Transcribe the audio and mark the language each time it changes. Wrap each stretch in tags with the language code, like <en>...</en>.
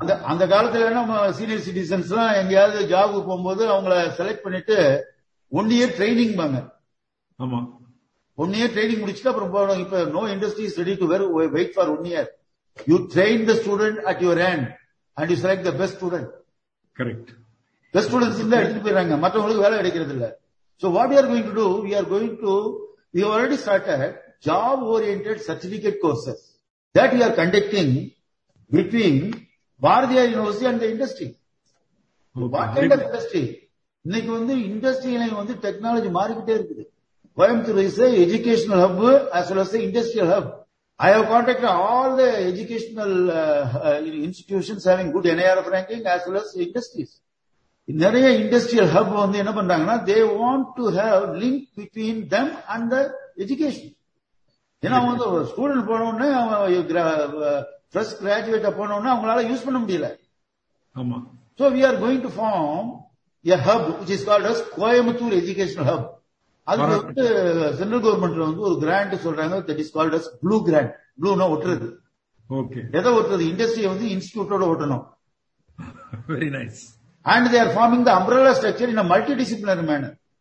<ta>அந்த காலத்துல நம்ம சீனியர் சிட்டிசன்ஸ் எல்லாம் எங்கேயாவது ஜாபுக்கு போகும்போது அவங்கள செலக்ட் பண்ணிட்டு 1 இயர் ட்ரைனிங் பாங்க. ஆமா,</ta> <en>1 year training</en> <ta>முடிச்சுட்டு அப்புறம் இப்ப</ta> <en>No industry is ready to wait for 1 year. You train the student at your hand and you select the best student.</en> <ta>Correct. Best students தான் எடுத்துட்டு போயிடறாங்க, மற்றவங்களுக்கு வேலை கிடைக்கிறது இல்ல.</ta> <en>So what we are going to do, we are going to, we have already started job oriented certificate courses that we are conducting between Bharathiya University and the industry. What kind of industry?</en> <ta>இன்னைக்கு வந்து இண்டஸ்ட்ரியில வந்து technology மாறிக்கிட்டே இருக்குது.</ta> <en>Coimbatore is educational hub as well as the industrial hub. I have contacted all the educational institutions having good NIRF ranking as well as industries.</en> <ta>நிறைய industrial hub வந்து என்ன பண்றாங்கன்னா,</ta> <en>They want to have link between them and the education.</en> <ta>ஏன்னா வந்து ஒரு student போனோடனே அவங்க fresh கிராஜுவேட்டா போனோட அவங்களால யூஸ் பண்ண முடியல.</ta> <en>So we are going to form a hub which is called as Coimbatore educational hub.</en> <ta>அது வந்து சென்ட்ரல் கவர்மெண்ட்ல வந்து ஒரு கிராண்ட் சொல்றாங்க,</ta> <en>That is called as glue grant.</en> <ta>ப்ளூனா ஒட்டுறது. Okay, எதை ஒட்டுறது? இண்டஸ்ட்ரிய வந்து இன்ஸ்டிடியூட்டோட ஒட்டணும்.</ta> <en>Very nice. And they are forming the umbrella structure in a multidisciplinary manner.</en>